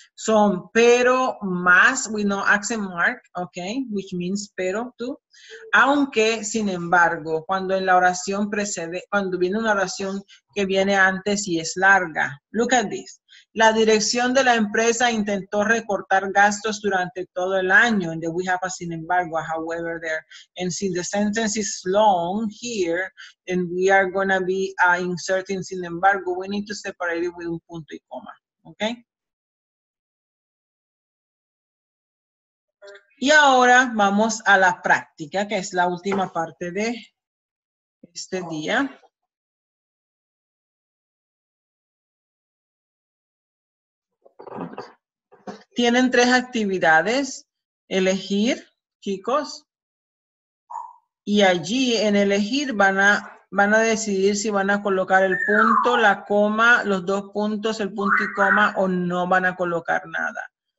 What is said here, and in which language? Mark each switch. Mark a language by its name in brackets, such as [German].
[Spanish] Son pero, más, [English] with no accent mark, ¿ok? Which means [Spanish] pero, tú. Aunque, sin embargo, cuando en la oración precede, cuando viene una oración que viene antes y es larga. [English] Look at this. [Spanish] La dirección de la empresa intentó recortar gastos durante todo el año. [English] And then we have a sin embargo, a however there. And since the sentence is long here, and we are going to be inserting sin embargo, we need to separate it with un punto y coma. Okay? [Spanish] Y ahora vamos a la práctica, que es la última parte de este día. Tienen tres actividades, elegir, chicos, y allí en elegir van a decidir si van a colocar el punto, la coma, los dos puntos, el punto y coma, o no van a colocar nada.